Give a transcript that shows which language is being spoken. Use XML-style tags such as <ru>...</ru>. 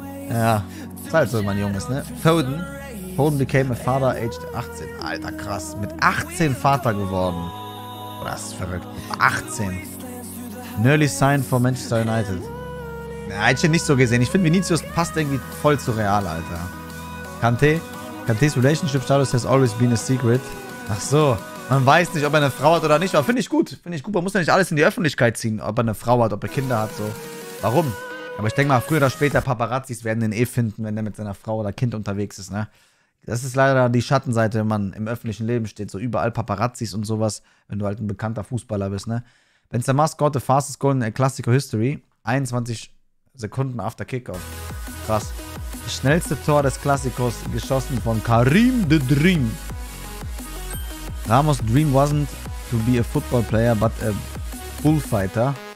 <de>Ja, ist halt so, wenn man jung ist, ne?</de> <en>Foden became a father aged 18.</en> <de>Alter, krass. Mit 18 Vater geworden. Das ist verrückt. Mit 18.</de> <en>Nearly signed for Manchester United.</en> <de>Na, hätte ich ihn nicht so gesehen. Ich finde, Vinicius passt irgendwie voll zu Real, Alter.</de> <en>Kante's Relationship Status has always been a secret.</en> <de>Ach so, man weiß nicht, ob er eine Frau hat oder nicht. Aber finde ich gut. Man muss ja nicht alles in die Öffentlichkeit ziehen, ob er eine Frau hat, ob er Kinder hat. So. Warum? Aber ich denke mal, früher oder später Paparazzis werden ihn eh finden, wenn er mit seiner Frau oder Kind unterwegs ist. Ne? Das ist leider die Schattenseite, wenn man im öffentlichen Leben steht. So überall Paparazzis und sowas, wenn du halt ein bekannter Fußballer bist. Ne?</de> <en>Benzema scored the fastest goal in Clásico History. 21 Sekunden after Kickoff.</en> <de>Krass. Das schnellste Tor des Klassikos geschossen von Karim the Dream.</de> <en>Ramos' dream wasn't to be a football player, but a bullfighter.</en>